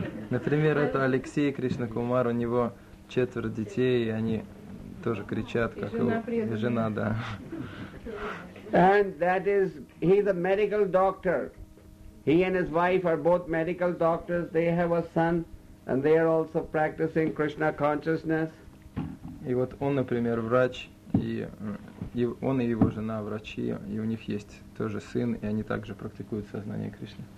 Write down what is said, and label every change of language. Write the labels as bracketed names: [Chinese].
[Russian] Например, это Алексей Кришна Кумар, у него 4 детей, и они тоже кричат, как и жена, да. [English] And that is, he's a medical doctor. He and his wife are both medical doctors. They have a son, and they are also practicing Krishna consciousness. [Russian] И вот он, например, врач, и он и его жена врачи, и у них есть тоже сын, и они также практикуют сознание Кришны.